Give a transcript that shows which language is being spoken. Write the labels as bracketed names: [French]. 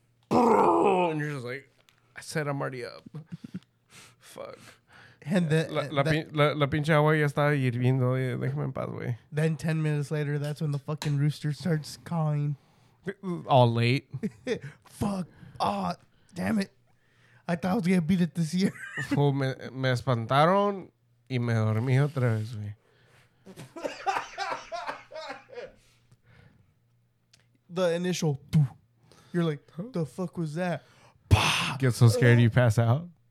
[English] And you're just like, I said I'm already up. Fuck. And then [Spanish] la pinche agua ya está hirviendo. Déjame en paz, güey. [English] Then 10 minutes later, that's when the fucking rooster starts calling. All late. Fuck. Oh, damn it. I thought I was going to beat it this year. [Spanish] Me espantaron y me dormí otra vez, güey. [English] The initial, you're like, the fuck was that? Get so scared you pass out.